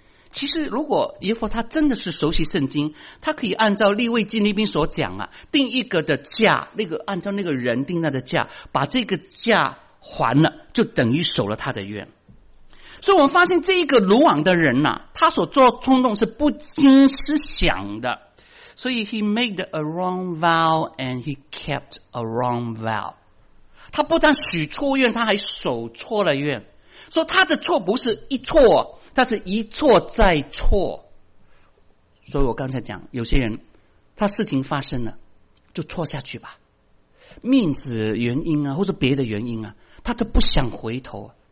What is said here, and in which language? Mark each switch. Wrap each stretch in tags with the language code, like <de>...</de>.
<zh>其实如果耶弗他真的是熟悉圣经，他可以按照利未记那边所讲啊，定一个的价，那个按照那个人定那个价，把这个价还了，就等于守了他的愿。所以我们发现这一个鲁莽的人啊，他所做的冲动是不经思想的。所以</zh> <en>he made a wrong vow and he kept a wrong vow。</en> <zh>他不但许错愿，他还守错了愿。说他的错不是一错，他是一错再错。所以我刚才讲有些人他事情发生了就错下去吧，面子原因啊或者别的原因啊，他都不想回头。</zh>